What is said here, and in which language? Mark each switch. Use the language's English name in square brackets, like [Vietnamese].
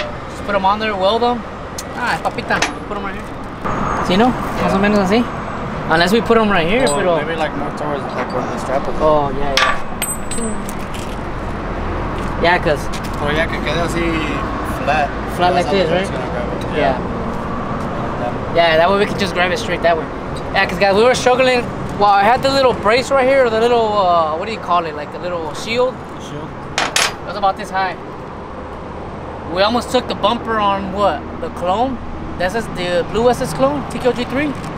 [English] Just put them on there, weld them. Ah, papita, put them right here. See, no? [Spanish] Más o menos así. [English] Unless we put them right here, but. Maybe like more towards the back where the strap is. Oh, yeah. Yeah, because. [Spanish] Pero ya que quede así [English] flat. Flat like this, right? Yeah. Yeah, that way we can just grab it straight that way. Yeah, because guys, we were struggling. Well, I had the little brace right here, or the little, what do you call it? Like the little shield? The shield. It was about this high. We almost took the bumper on what? The clone? This is the blue SS clone, TKOG3?